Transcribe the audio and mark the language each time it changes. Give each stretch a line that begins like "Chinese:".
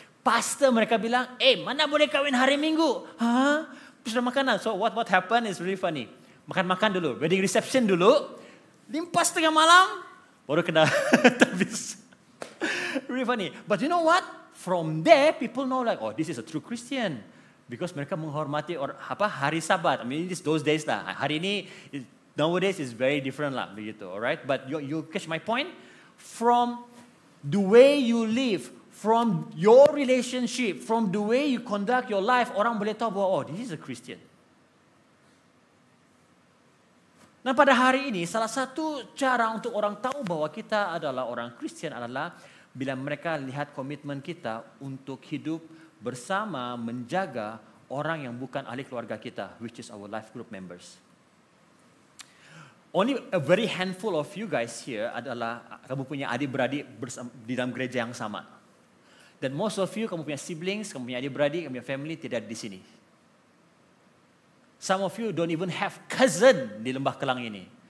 Malay: Pastor mereka bilang, mana boleh kawin hari Minggu? Hah? Sudah makanan.
English: So what happened is really funny.
Malay: Makan dulu, wedding reception dulu, limpas tengah malam, baru kena habis.
English: Really funny. But you know what? From there people know like, this is a true Christian. Because
Malay: mereka menghormati hari Sabat.
English: I mean, it's those days lah. Hari ini, nowadays is very different lah. Begitu, alright? But you catch my point? From the way you live, from your relationship, from the way you conduct your life,
Malay: orang boleh tahu bahwa,
English: this is a Christian.
Malay: Nah, pada hari ini, salah satu cara untuk orang tahu bahwa kita adalah orang Christian adalah bila mereka lihat komitmen kita untuk hidup bersama menjaga orang yang bukan ahli keluarga kita,
English: which is our life group members. Only a very handful of you guys here
Malay: adalah kamu punya adik-beradik di dalam gereja yang sama. Dan
English: most of you,
Malay: kamu punya siblings, kamu punya adik-beradik, kamu punya family tidak ada di sini.
English: Some of you don't even have cousin di Lembah Kelang ini.